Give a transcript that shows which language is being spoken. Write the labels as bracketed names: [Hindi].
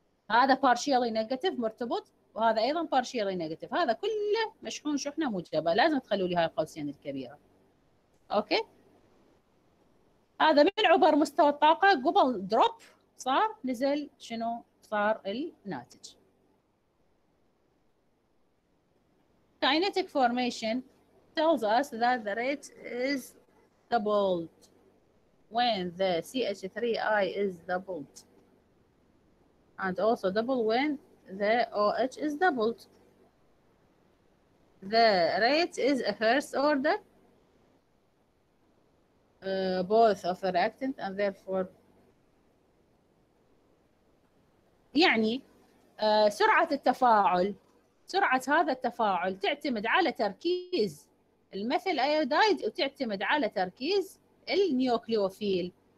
[Arabic] هذا بارشيالي نيجاتيف مرتبط وهذا ايضا بارشيالي نيجاتيف هذا كله مشحون شحنه موجبه لازم تخلوا لي هاي القوسين الكبيره. اوكي هذا من عبر مستوى الطاقه قبل دروب صار نزل شنو صار الناتج. [English] Kinetic formation tells us that the rate is doubled when the CH3I is doubled and also double when the OH is doubled. The rate is a first order both of the reactant and therefore [Arabic] يعني سرعة التفاعل سرعة هذا التفاعل تعتمد على تركيز المثل أيودايد وتعتمد على تركيز النيوكليوفيل